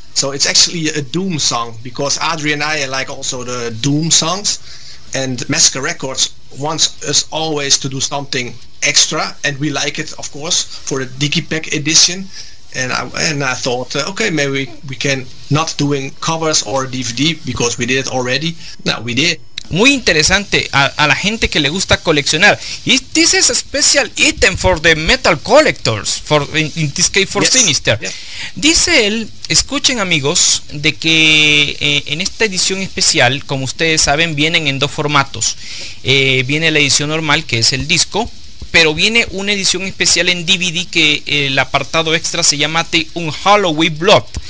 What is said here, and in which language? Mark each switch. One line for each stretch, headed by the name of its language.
English: So it's actually a doom song, because Adrie and I like also the doom songs, and Massacre Records wants us always to do something extra, and we like it, of course, for the Digipack edition. And I thought, okay, maybe we can not doing covers or DVD, because we did it already. Now we did.
Spanish: Muy interesante a la gente que le gusta coleccionar.
English: This is a special item for the metal collectors, for in this case for yes. Sinister. Yes.
Spanish: Dice él, escuchen amigos, de que en esta edición especial, como ustedes saben, vienen en dos formatos. Viene la edición normal, que es el disco, pero viene una edición especial en DVD que el apartado extra se llama The Unhallowed Blood.